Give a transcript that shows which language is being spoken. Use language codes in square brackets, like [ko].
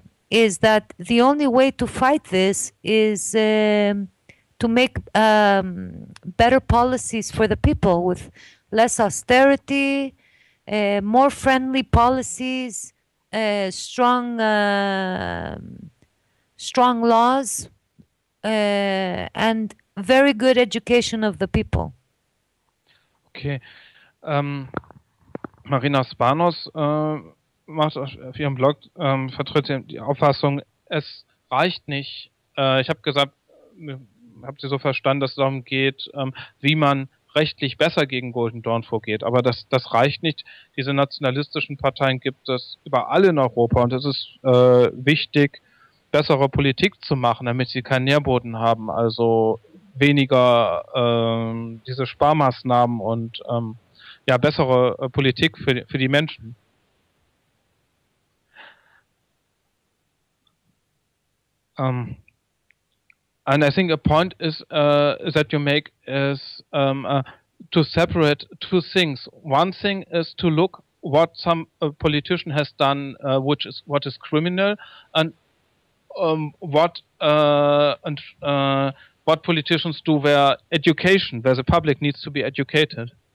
[en] is that the only way to fight this is to make better policies for the people, with less austerity, more friendly policies, strong laws, and very good education of the people. Okay. [de] Marina Spanos macht auf ihrem Blog, vertritt die Auffassung, es reicht nicht. Ich habe gesagt, habt ihr so verstanden, dass es darum geht, wie man rechtlich besser gegen Golden Dawn vorgeht. Aber das reicht nicht. Diese nationalistischen Parteien gibt es überall in Europa und es ist wichtig, bessere Politik zu machen, damit sie keinen Nährboden haben, also weniger diese Sparmaßnahmen und ja, bessere Politik für die Menschen. [en] And I think a point is that you make is to separate two things. One thing is to look what some politician has done, which is what is criminal, and what politicians do their education, where the public needs to be educated.